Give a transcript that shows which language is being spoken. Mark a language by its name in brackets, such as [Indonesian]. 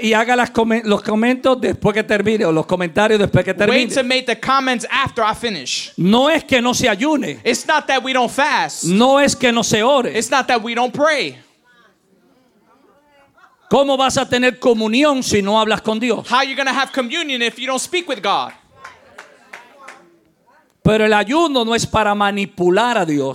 [Spanish] Y haga los comentarios después que termine, o los comentarios después que termine. [English] Wait to make the comments after I finish. [Spanish] No es que no se ayune. [English] It's not that we don't fast. [Spanish] No es que no se ore. [English] It's not that we don't pray. [Spanish] ¿Cómo vas a tener comunión si no hablas con Dios? [English] How are you going to have communion if you don't speak with God? [Spanish] Pero el ayuno no es para manipular a Dios.